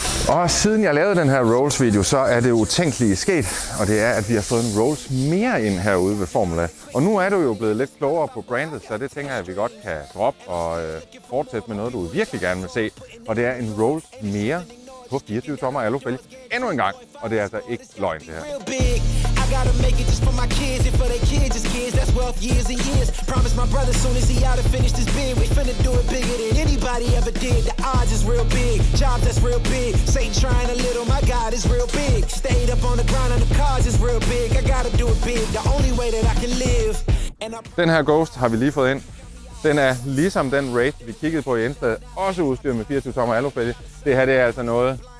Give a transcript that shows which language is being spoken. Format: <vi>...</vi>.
<da>Og siden jeg lavede den her Rolls-video, så er det utænkelige sket, og det er, at vi har fået en Rolls mere ind herude ved Formula. Og nu er du jo blevet lidt klogere på brandet, så det tænker jeg, at vi godt kan droppe og fortsætte med noget, du virkelig gerne vil se. Og det er en Rolls mere på 24 tommer alufælge endnu en gang, og det er altså ikke løgn det her.</da> <en>Gotta make it just for my kids, and for their kids, his kids, that's wealth years and years. Promise my brother soon as he out to finish this bid. We finna do it bigger than anybody ever did. The odds is real big, job that's real big. Satan trying a little, my God is real big. Stayed up on the grind on the cars is real big. I gotta do it big, the only way that I can live.</en> <da>Den her Ghost har vi lige fået ind. Den er ligesom den Wraith, vi kiggede på i indstedet, også udstyret med 24 tommer alufælge. Det her, det er altså noget.</da>